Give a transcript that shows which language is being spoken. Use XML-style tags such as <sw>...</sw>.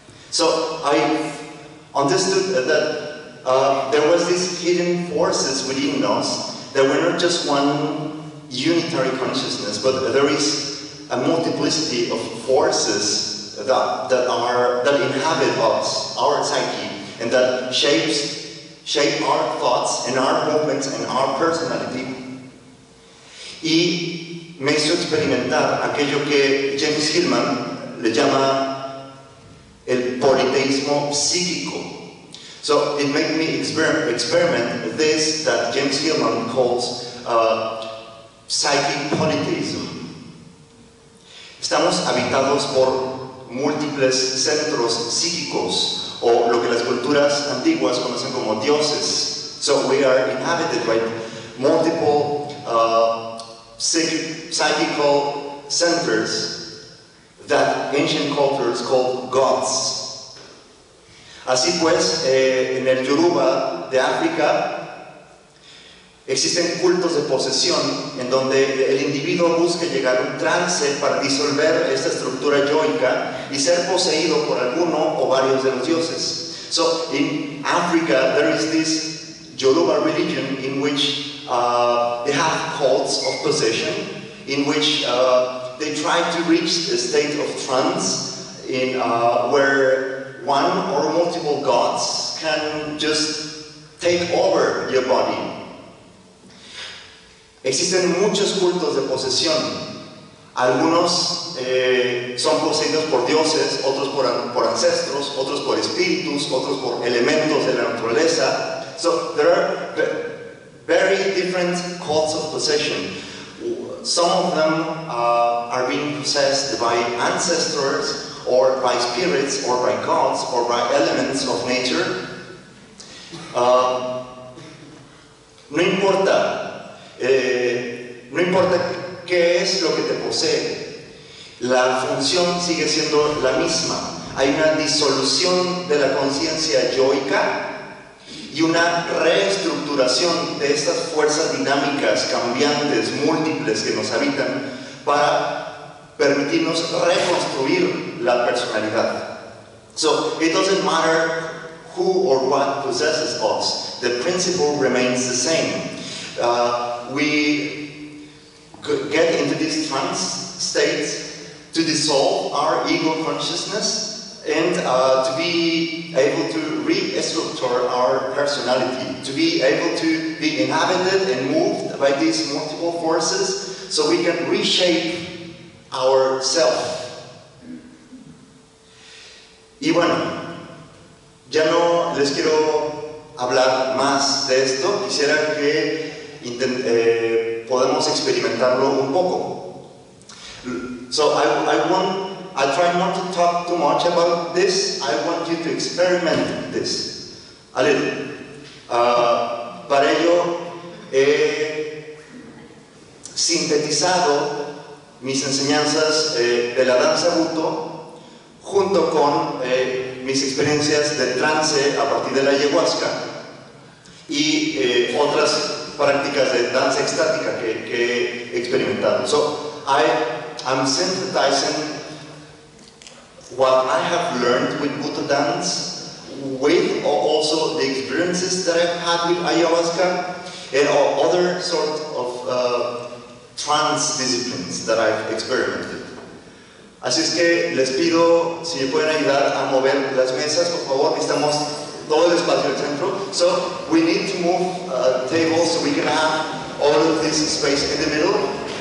<en>So I understood that there was these hidden forces within us that were not just one unitary consciousness, but there is a multiplicity of forces that inhabit us, our psyche, and that shape our thoughts and our movements and our personality.</en> <es>Y me hizo experimentar aquello que James Hillman le llama el politeísmo psíquico.</es> <en>So it made me experiment this that James Hillman calls psychic polytheism.</en> <es>Estamos habitados por múltiples centros psíquicos, o lo que las culturas antiguas conocen como dioses.</es> <en>So we are inhabited by multiple psychical centers that ancient cultures called gods.</en> <es>Así pues, en el Yoruba de África existen cultos de posesión en donde el individuo busca llegar a un trance para disolver esta estructura yoica y ser poseído por alguno o varios de los dioses.</es> <en>So, in Africa, there is this Yoruba religion in which they have cults of possession, in which they try to reach a state of trance in where one or multiple gods can just take over your body.</en> <es>Existen muchos cultos de posesión. Algunos son poseídos por dioses, otros por ancestros, otros por espíritus, otros por elementos de la naturaleza.</es> <en>So there are very different cults of possession. Some of them are being possessed by ancestors, or by spirits, or by gods, or by elements of nature.</en> <es>No importa qué es lo que te posee, la función sigue siendo la misma. Hay una disolución de la conciencia yoica y una reestructuración de estas fuerzas dinámicas, cambiantes, múltiples que nos habitan para permitirnos reconstruir la personalidad.</es> <en>So, it doesn't matter who or what possesses us, the principle remains the same. We get into this trance state to dissolve our ego consciousness and to be able to restructure our personality, to be able to be inhabited and moved by these multiple forces so we can reshape our self.</en> <es>Y bueno, ya no les quiero hablar más de esto, quisiera que podamos experimentarlo un poco.</es> <en>So I try not to talk too much about this. I want you to experiment this a little.</en> <es>Para ello he sintetizado mis enseñanzas de la danza buto junto con mis experiencias de trance a partir de la ayahuasca y otras prácticas de danza extática que he experimentado.</es> <en>So I'm synthesizing what I have learned with Buddha dance with also the experiences that I've had with ayahuasca and other sort of trance disciplines that I've experimented.</en> <es>Así es que les pido si me pueden ayudar a mover las mesas, por favor, estamos todo el espacio del centro.</es> <en>So we need to move tables so we can have all of this space in the middle.</en>